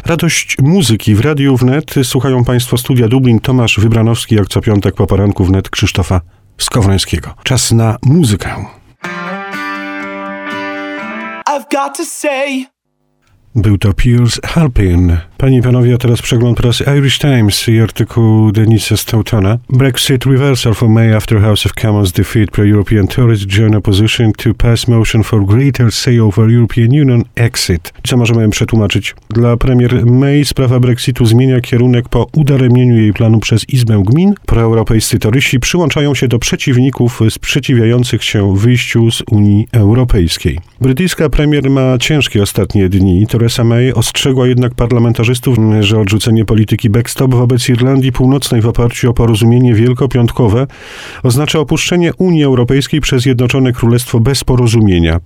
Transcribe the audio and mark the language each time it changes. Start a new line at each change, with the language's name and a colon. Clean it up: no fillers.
Polish: Radość muzyki w Radiu Wnet. Słuchają państwo Studia Dublin, Tomasz Wybranowski, jak co piątek po poranku Wnet, Krzysztofa Skowrońskiego. Czas na muzykę.
English: I've got to say.
Polish: Był to
English: Piers Halpin.
Polish: Panie i panowie, a teraz przegląd prasy Irish Times i artykuł Denisa Stoutona.
English: Brexit reversal for May after House of Commons defeat pro-European Tories join opposition to pass motion for greater say over European Union exit.
Polish: Co możemy przetłumaczyć? Dla premier May sprawa Brexitu zmienia kierunek po udaremnieniu jej planu przez Izbę Gmin. Proeuropejscy torysi przyłączają się do przeciwników sprzeciwiających się wyjściu z Unii Europejskiej. Brytyjska premier ma ciężkie ostatnie dni. Theresa May ostrzegła jednak parlamentarzystów, że odrzucenie polityki backstop wobec Irlandii Północnej w oparciu o porozumienie wielkopiątkowe oznacza opuszczenie Unii Europejskiej przez Zjednoczone Królestwo bez porozumienia.